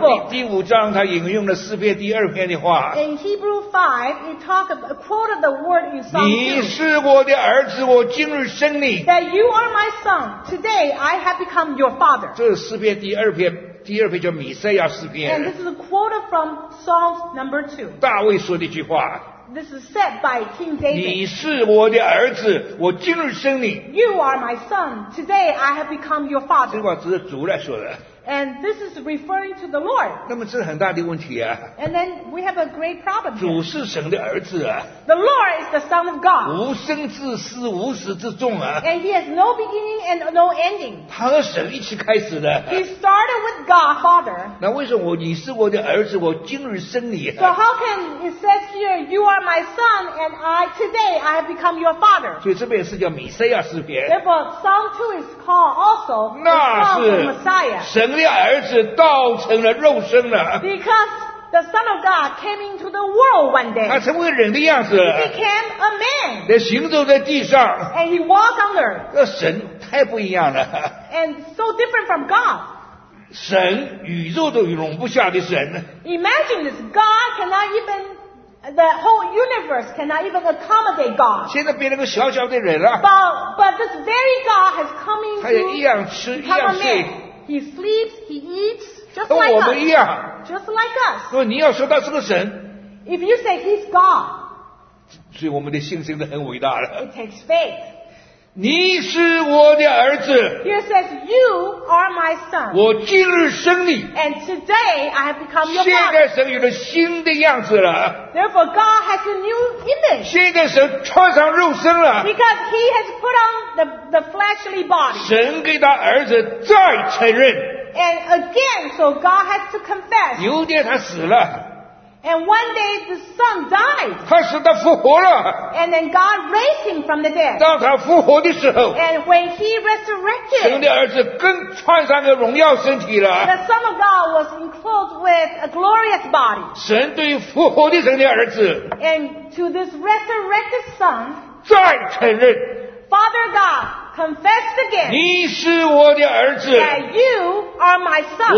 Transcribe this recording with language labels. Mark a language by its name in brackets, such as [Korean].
[Chinese] 到了第五章，他引用了诗篇第二篇的话。 [English] In Hebrew 5, he talked quoted the word in Psalm 2. [Chinese] 你是我的儿子，我今日生你。 [English] That you are my son. Today, I have become your father. [Chinese] 这是诗篇第二篇。第二篇叫弥赛亚诗篇。 [English] And this is a quote from Psalm number 2. [Chinese] 大卫说的一句话。 [English] This is said by King David. [Chinese] 你是我的儿子，我今日生你。 [English] You are my son. Today I have become your father. [Chinese] 这话只是主来说的。 [English] And this is referring to the Lord. [Chinese] 那么这是很大的问题啊。 [English] And then we have a great problem. [Chinese] 主是神的儿子啊。 [English] The Lord is the Son of God. [Chinese] 无生之始，无始之终啊。 [English] And he has no beginning and no ending. [Chinese] 他和神一起开始的。 [English] He started with God, Father. [Chinese] 那为什么你是我的儿子，我今日生你啊。 [English] So how can it says here, you are my son, and I, today I have become your father. [Chinese] 所以这边是叫弥赛亚诗篇。 [English] Therefore, Psalm 2 is called also the Psalm of Messiah. [Chinese] 那是神的儿子道成了肉身了。 [English] Because the Son of God came into the world one day. [Chinese] 他成为人的样子。 [English] He became a man. [Chinese] 他行走在地上。 [English] And he walked on earth. [Chinese] 那神太不一样了。 [English] And so different from God. [Chinese] 神宇宙都容不下的神。 [English] Imagine this, God cannot even, the whole universe cannot even accommodate God. [Chinese] 现在变成个小小的人了。 [English] But this very God has come into the world. [Chinese] 他也一样吃一样睡。 [English] He sleeps, he eats, just like us. Just like us. [Chinese] 如果你要说他是个神， [English] if you say he's God, [Chinese] 所以我们的信心都很伟大了。 [English] It takes faith. [Chinese] 你是我的儿子。 [English] He says you are my son. [Chinese] 我今日生你。 [English] And today I have become your father. [Chinese] 现在神有了新的样子了。 [English] Therefore God has a new image. [Chinese] 现在神穿上肉身了。 [English] Because he has put on the fleshly body. [Chinese] 神给他儿子再承认。 [English] And again, so God has to confess. [Chinese] 有一天他死了。 [English] And one day the son died. [Chinese] 他使他复活了。 [English] And then God raised him from the dead. [Chinese] 当他复活的时候。 [English] And when he resurrected. [Chinese] 神的儿子更穿上个荣耀身体了。 [English] The son of God was enclosed with a glorious body. [Chinese] 神对复活的神的儿子。 [English] And to this resurrected son. [Chinese] 再承认。 [English] Father God, confessed again. [Chinese] 你是我的儿子。 [English] That you are my son.